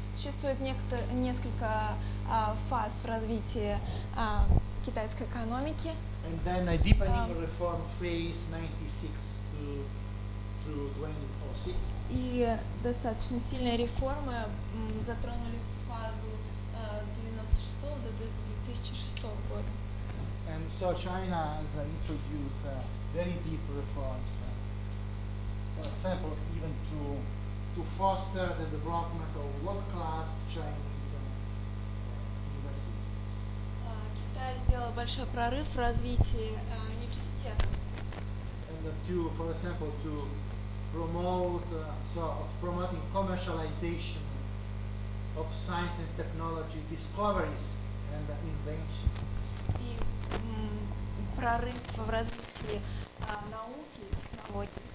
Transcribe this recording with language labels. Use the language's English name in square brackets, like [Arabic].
[Russian] Существует несколько фаз в развитии китайской экономики. [English] And then a deepening reform phase 1996 to 2006. [Russian] И достаточно сильные реформы затронули фазу 96 до 2006 года. [English] And so China has introduced very deep reforms. For example, even to foster the development of world-class Chinese universities. [Russian] Китай сделал большой прорыв в развитии университетов. [English] And to promote promoting commercialization of science and technology discoveries and inventions. [Russian] И прорыв в развитии науки, технологий.